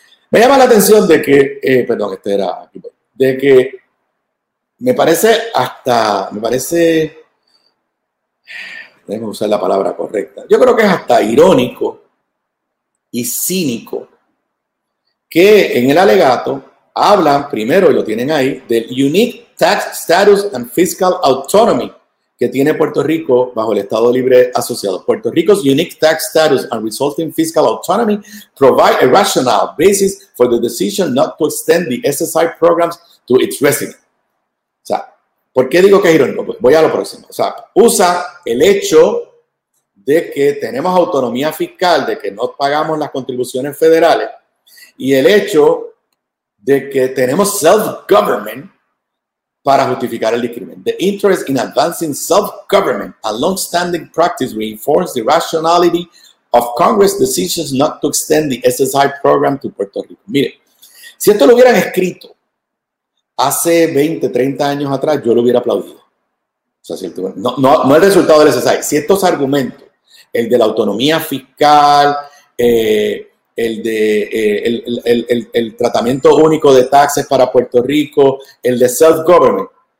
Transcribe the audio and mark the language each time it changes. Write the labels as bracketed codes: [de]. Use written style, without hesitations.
[es] Me llama la atención de que, me parece, déjenme usar la palabra correcta, yo creo que es hasta irónico y cínico que en el alegato hablan, primero lo tienen ahí, del Unique Tax Status and Fiscal Autonomy que tiene Puerto Rico bajo el Estado Libre Asociado. [en] Puerto Rico's Unique Tax Status and Resulting Fiscal Autonomy provide a rational basis for the decision not to extend the SSI programs to its residents. [es] O sea, ¿por qué digo que es irónico? Pues voy a lo próximo. O sea, usa el hecho de que tenemos autonomía fiscal, de que no pagamos las contribuciones federales, y el hecho de que tenemos self-government para justificar el discrimen. [en] The interest in advancing self-government, a long-standing practice, reinforces the rationality of Congress decisions not to extend the SSI program to Puerto Rico. [es] Mire, si esto lo hubieran escrito hace 20, 30 años atrás, yo lo hubiera aplaudido. O sea, si no el resultado del SSI. Si estos argumentos, el de la autonomía fiscal, el tratamiento único de taxes para Puerto Rico, el de self-government.